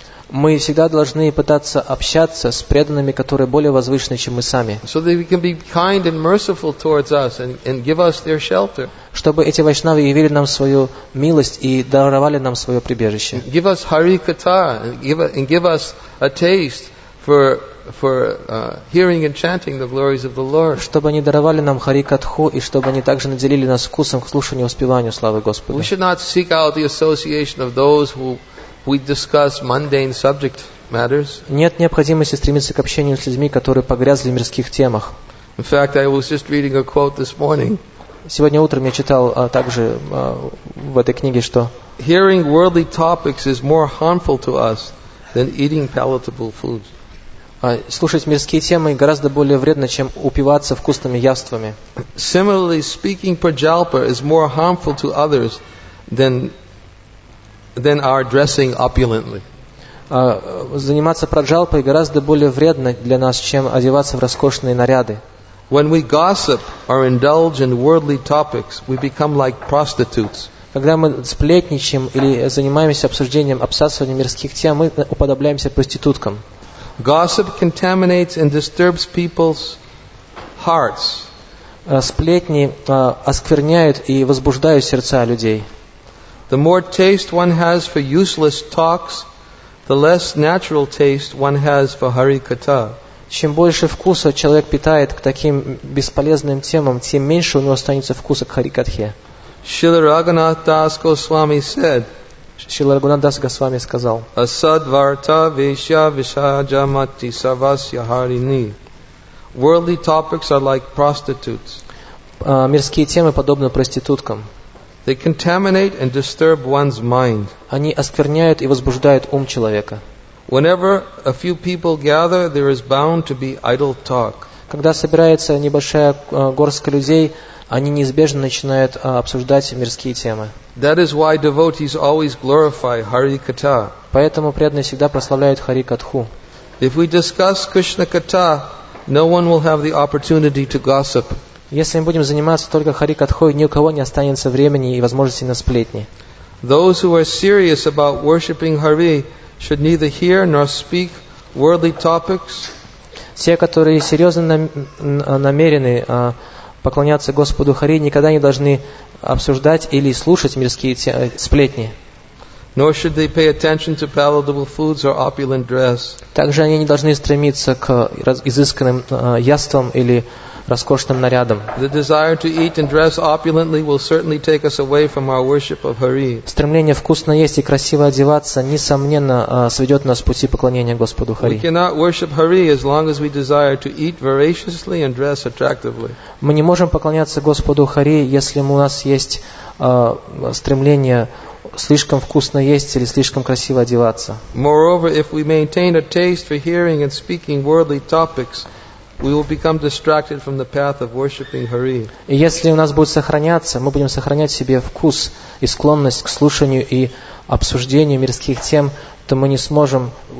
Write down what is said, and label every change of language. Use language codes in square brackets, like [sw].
[ru] Мы всегда должны пытаться общаться с преданными, которые более возвышены, чем мы сами. [en] So they can be kind and merciful towards us and give us their shelter. [ru] Чтобы эти вайшнавы явили нам свою милость и даровали нам свое прибежище. [en] Give us Харикатха and give us a taste for hearing and chanting the glories of the Lord. [ru] Чтобы они даровали нам Харикатху и чтобы они также наделили нас вкусом к слушанию и воспеванию славы Господа. [en] We should not seek out the association of those who we discuss mundane subject matters. [ru] Нет необходимости стремиться к общению с людьми, которые погрязли в мирских темах. [en] In fact, I was just reading a quote this morning. [ru] Сегодня утром я читал также в этой книге, что [en] hearing worldly topics is more harmful to us than eating palatable foods. [ru] Слушать мирские темы гораздо более вредно, чем упиваться вкусными яствами. [en] Similarly, speaking prajalpa is more harmful to others than our dressing opulently. [ru] Заниматься праджалпой гораздо более вредно для нас, чем одеваться в роскошные наряды. [en] When we gossip or indulge in worldly topics, we become like prostitutes. [ru] Когда мы сплетничаем или занимаемся обсуждением, обсасыванием мирских тем, мы уподобляемся проституткам. [en] Gossip contaminates and disturbs people's hearts. [ru] Сплетни оскверняют и возбуждают сердца людей. [en] The more taste one has for useless talks, the less natural taste one has for Харикатха. [ru] Чем больше вкуса человек питает к таким бесполезным темам, тем меньше у него останется вкуса к Харикатхе. [en] Шрила Рагханат Дас Госвами said, [ru] Шрила Рагханат Дас Госвами сказал, [sa] Асадварта Вишья Вишаджамати Савасья Харини. [en] Worldly topics are like prostitutes. [ru] Мирские темы подобны проституткам. [en] They contaminate and disturb one's mind. [ru] Они оскверняют и возбуждают ум человека. [en] Whenever a few people gather, there is bound to be idle talk. [ru] Когда собирается небольшая горстка людей, они неизбежно начинают обсуждать мирские темы. [en] That is why devotees always glorify Харикатха. [ru] Поэтому преданные всегда прославляют Харикатху. [en] If we discuss Krishna Katha, no one will have the opportunity to gossip. [ru] Если мы будем заниматься только Харикатхой, ни у кого не останется времени и возможности на сплетни. [en] Those who are serious about worshiping Hari should neither hear nor speak worldly topics. [ru] Те, которые серьезно намерены поклоняться Господу Хари, никогда не должны обсуждать или слушать мирские сплетни. [en] Nor should they pay attention to palatable foods or opulent dress. [ru] Также они не должны стремиться к изысканным яствам или роскошным нарядом. [en] The desire to eat and dress opulently will certainly take us away from our worship of Hari. [ru] Стремление вкусно есть и красиво одеваться несомненно сведет нас с пути поклонения Господу Хари. [en] We cannot worship Hari as long as we desire to eat voraciously and dress attractively. [ru] Мы не можем поклоняться Господу Хари, если у нас есть стремление слишком вкусно есть или слишком красиво одеваться. [en] Moreover, if we maintain a taste for hearing and speaking worldly topics, we will become distracted from the path of worshiping Hari. [ru] И если у нас будет сохраняться, мы будем сохранять в себе вкус и склонность к слушанию и обсуждению мирских тем, то мы не сможем.